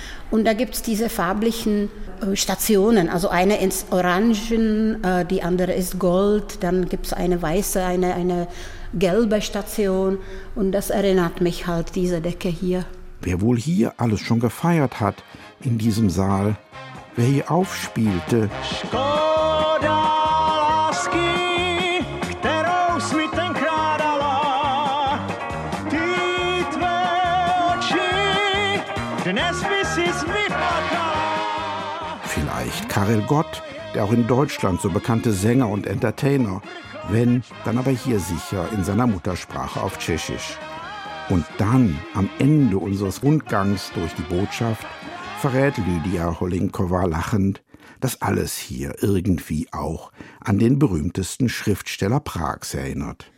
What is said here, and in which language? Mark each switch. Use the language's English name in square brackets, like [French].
[German] Und da gibt's diese farblichen Stationen. Also eine ins Orangen, die andere ist Gold. Dann gibt's eine weiße, eine gelbe Station. Und das erinnert mich halt, diese Decke hier. Wer wohl hier alles schon gefeiert hat in diesem Saal, wer hier aufspielte. [Czech] Škoda lásky, kterou jsi mi tenkrát dala, ty tvé oči, dnes by si mi plakala. [German] Vielleicht Karel Gott, der auch in Deutschland so bekannte Sänger und Entertainer, wenn, dann aber hier sicher in seiner Muttersprache auf Tschechisch. Und dann, am Ende unseres Rundgangs durch die Botschaft, verrät Lydia Holinkova lachend, dass alles hier irgendwie auch an den berühmtesten Schriftsteller Prags erinnert.